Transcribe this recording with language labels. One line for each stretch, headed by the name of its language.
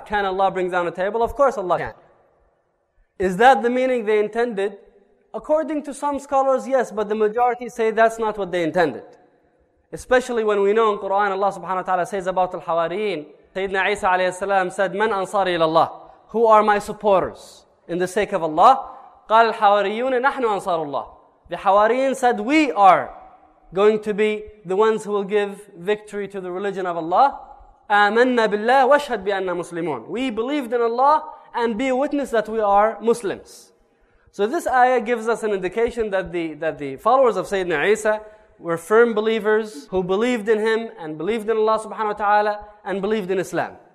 English: Can Allah bring down a table? Of course Allah can. Is that the meaning they intended? According to some scholars, yes, but the majority say that's not what they intended. Especially when we know in Quran, Allah subhanahu wa ta'ala says about al-Hawariyin, Sayyidina Isa alayhi salam said,
Arabic: Man ansari ilallah?
English: Who are my supporters in the sake of Allah?
Arabic: قال الحواريون نحن أنصار الله.
English: The Hawariyin said, we are going to be the ones who will give victory to the religion of Allah.
Arabic: آمنا بالله واشهد بأننا مسلمون.
English: We believed in Allah and be a witness that we are Muslims. So this ayah gives us an indication that the followers of Sayyidina Isa were firm believers who believed in him and believed in Allah subhanahu wa ta'ala and believed in Islam.